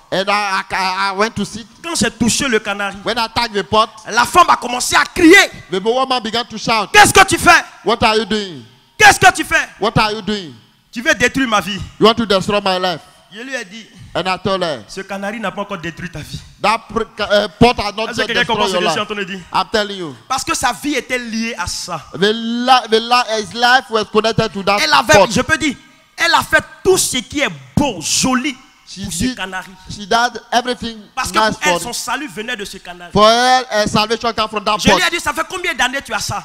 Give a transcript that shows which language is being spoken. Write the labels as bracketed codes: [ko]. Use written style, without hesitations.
[en] And I went to sit. [fr] Quand j'ai touché le canari, [en] when I touched the pot, [fr] la femme a commencé à crier. [en] The woman began to shout. [fr] Qu'est-ce que tu fais? [en] What are you doing? [fr] Qu'est-ce que tu fais? [en] What are you doing? [fr] Tu veux détruire ma vie? [en] You want to destroy my life? [fr] Je lui ai dit. [en] And I told her. [fr] Ce canari n'a pas encore détruit ta vie. [en] That pot has not yet destroyed your life. I'm telling you. [fr] Parce que sa vie était liée à ça. [en] His life was connected to that [fr] elle avait, [en] pot. [fr] Je peux dire. Elle a fait tout ce qui est beau, joli pour ce canari. [en] She did everything. [fr] Parce que [en] nice [fr] elle, son salut venait de ce canari. [en] For her, her salvation came from that [fr] pot. Je lui ai dit, ça fait combien d'années tu as ça?